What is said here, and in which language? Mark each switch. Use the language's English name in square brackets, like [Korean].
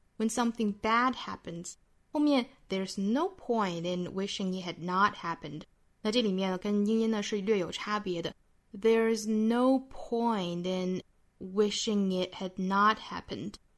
[English] When something bad happens, [Chinese] 后面 [English] there's no point in wishing it had not happened. [Chinese] 那这里面呢跟英音呢是略有差别的。 [English] There's no point in wishing it had not happened.